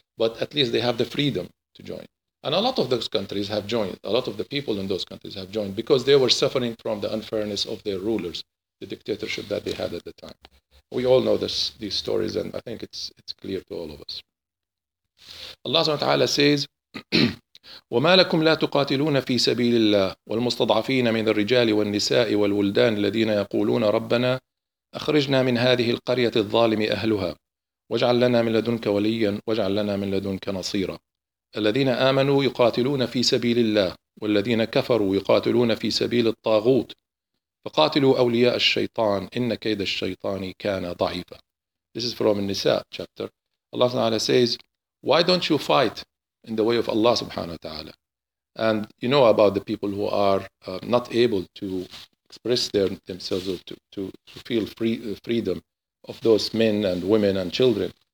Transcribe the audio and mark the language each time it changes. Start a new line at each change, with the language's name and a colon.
English: But at least they have the freedom to join. And a lot of those countries have joined. A lot of the people in those countries have joined because they were suffering from the unfairness of their rulers, the dictatorship that they had at the time. We all know these stories, and I think it's clear to all of us. Allah subhanahu wa ta'ala says,
Arabic: وما لكم لا تقاتلون في سبيل الله والمستضعفين من الرجال والنساء والولدان الذين يقولون ربنا أخرجنا من هذه القرية الظالم أهلها واجعل لنا من لدنك وليا واجعل لنا من لدنك نصيرا. الذين آمنوا يقاتلون في سبيل الله والذين كفروا يقاتلون في سبيل الطاغوت فقاتلوا أولياء الشيطان إن كيد الشيطان كان ضعيفا.
English: This is from Nisa chapter. Allah Ta'ala says, why don't you fight in the way of Allah subhanahu wa ta'ala? And you know about the people who are not able to express themselves or to feel freedom of those men and women and children.